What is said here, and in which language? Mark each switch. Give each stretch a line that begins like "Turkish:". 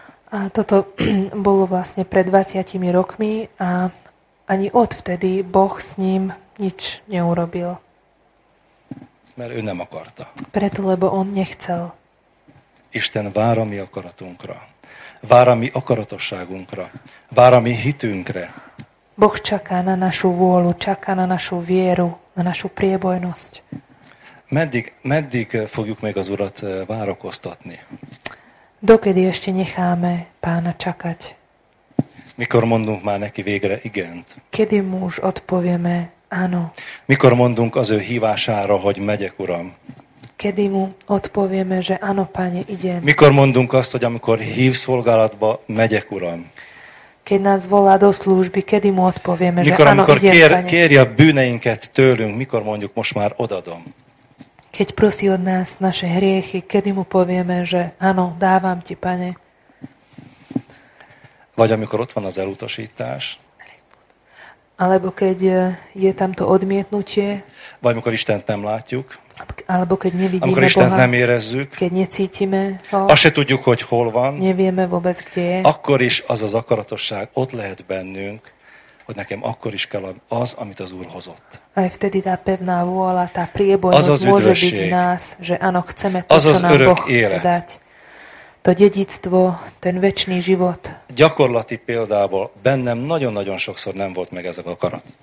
Slovak: A toto bolo vlastne pred 20 rokmi a ani odvtedy Boh s ním nič neurobil.
Hungarian: Mert ő nem akarta.
Slovak: Preto, lebo on nechcel.
Hungarian: Isten vár a mi akaratunkra. Vár a mi akaratosságunkra. Vár a mi hitünkre.
Slovak: Boh čaká na našu vôľu, čaká na našu vieru, na našu priebojnosť.
Hungarian: Meddig fogjuk még az Urat várakoztatni?
Slovak: Dokedy ešte necháme pána čakať?
Hungarian: Mikor mondunk már neki végre igent?
Slovak: Kedy mu už odpovieme áno?
Hungarian: Mikor mondunk az ő hívására, hogy megyek, Uram?
Slovak: Kedy mu odpovieme, že áno, páne, idem?
Hungarian: Mikor mondunk azt, hogy amikor hív szolgálatba, megyek, Uram?
Slovak: keď nás volá do služby, kedy mu odpovieme,
Hungarian: mikor,
Slovak: že áno,
Hungarian: mikor
Slovak: idem,
Hungarian: kér, Pane. Kérje a bűneinket tőlünk, mikor mondjuk, most már odadom.
Slovak: Keď prosí od nás naše hriechy, kedy mu povieme, že áno, dávam ti, Pane.
Hungarian: Vagy amikor ott van az elutasítás.
Slovak: Alebo keď je tam to odmietnutie.
Hungarian: Vagy amikor Istent nem látjuk.
Slovak: Alebo keď nevidíme Boha.
Hungarian: Amikor Istent nem érezzük.
Slovak: Keď necítime ho.
Hungarian: Azt se tudjuk, hogy hol van.
Slovak: Nevieme vôbec, kde je.
Hungarian: Akkor is az az akaratosság ott lehet bennünk, hogy nekem akkor is kell az, amit az Úr hozott.
Slovak: Aj vtedy tá pevná vôľa, tá priebojnosť môže byť v nás, že áno, chceme to,
Hungarian: az
Slovak: čo nám Boh chce dať. To dedictvo, ten večný život.
Hungarian: Gyakorlati példából bennem nagyon-nagyon sokszor nem volt meg ez a akarat.